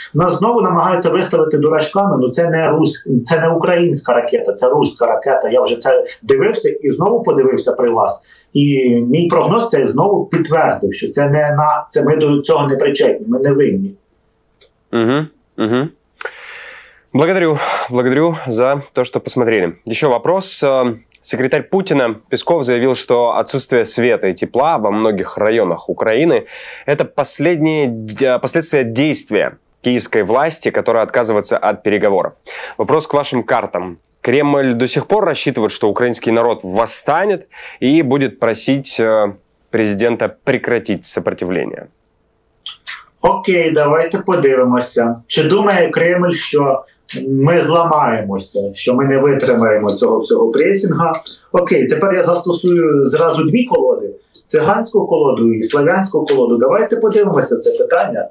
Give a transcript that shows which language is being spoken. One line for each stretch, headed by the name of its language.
Ukrainian: Нас знову намагаються виставити дурачками, але це не українська ракета, це руська ракета. Я вже це дивився і знову подивився при вас. І мій прогноз це знову підтвердив, що це не на це ми до цього не причетні, ми не винні. Угу, угу.
Russian: Благодарю, благодарю за то, що посмотрели. Ще вопрос. Секретарь Путина Песков заявил, что отсутствие света и тепла во многих районах Украины – это последние последствия действия киевской власти, которая отказывается от переговоров. Вопрос к вашим картам. Кремль до сих пор рассчитывает, что украинский народ восстанет и будет просить президента прекратить сопротивление.
Ukrainian: Окей, давайте подивимося. Чи думає Кремль, що ми зламаємося, що ми не витримаємо цього всього пресінга? Окей, тепер я застосую зразу дві колоди. Циганську колоду і слов'янську колоду. Давайте подивимося це питання.